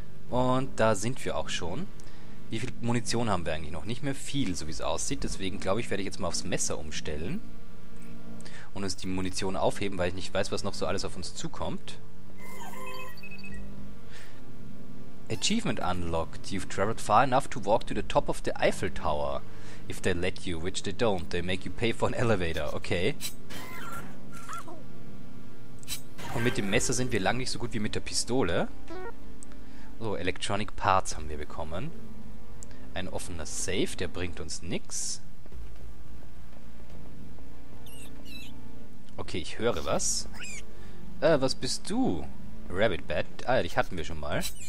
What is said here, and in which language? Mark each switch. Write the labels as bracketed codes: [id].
[de] Und da sind wir auch schon. Wie viel Munition haben wir eigentlich noch? Nicht mehr viel, so wie es aussieht. Deswegen glaube ich, werde ich jetzt mal aufs Messer umstellen. Und uns die Munition aufheben, weil ich nicht weiß, was noch so alles auf uns zukommt. [en] Achievement unlocked. You've traveled far enough to walk to the top of the Eiffel Tower. If they let you, which they don't, they make you pay for an elevator. Okay. [de] Und mit dem Messer sind wir lang nicht so gut wie mit der Pistole. So, Electronic Parts haben wir bekommen. Ein offener Safe, der bringt uns nichts. Okay, ich höre was. Was bist du? Rabbit Bat. Ah, dich hatten wir schon mal.